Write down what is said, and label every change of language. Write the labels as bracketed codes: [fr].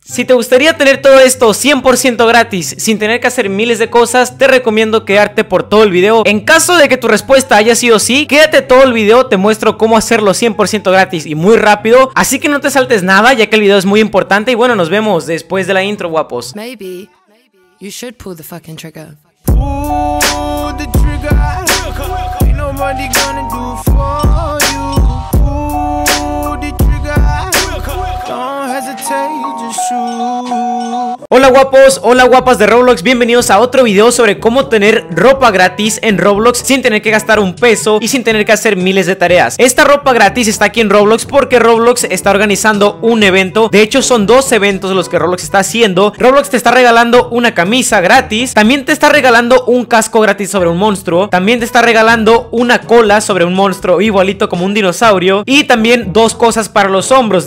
[es] Si te gustaría tener todo esto 100% gratis, sin tener que hacer miles de cosas, te recomiendo quedarte por todo el video. En caso de que tu respuesta haya sido sí, quédate todo el video, te muestro cómo hacerlo 100% gratis y muy rápido. Así que no te saltes nada, ya que el video es muy importante. Y bueno, nos vemos después de la intro, guapos. [en] Maybe you should pull the fucking trigger. Pull the trigger. Ain't nobody gonna do for you. Pull the trigger. Don't hesitate, just shoot. [es] Hola guapos, hola guapas de Roblox. Bienvenidos a otro video sobre cómo tener ropa gratis en Roblox sin tener que gastar un peso y sin tener que hacer miles de tareas. Esta ropa gratis está aquí en Roblox porque Roblox está organizando un evento. De hecho, son dos eventos los que Roblox está haciendo. Roblox te está regalando una camisa gratis, también te está regalando un casco gratis sobre un monstruo, también te está regalando una cola sobre un monstruo igualito como un dinosaurio, y también dos cosas para los hombros.